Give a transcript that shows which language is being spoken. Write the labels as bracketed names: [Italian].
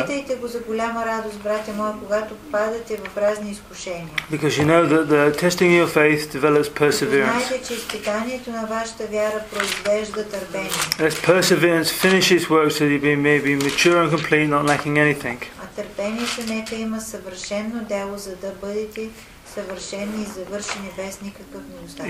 [Bulgarian] Читайте го за голяма радост, брате мои, когато попадате в разни изкушения. [English] Because you know that the testing of your faith develops perseverance. [Bulgarian] Знаете, че изпитанието на вашата вяра произвежда търпение. [English] As perseverance finishes work, so you may be mature and complete, not lacking anything. [Bulgarian] А търпението нека има съвършено дело, за да бъдете съвършени и завършени без никакъв недостатък.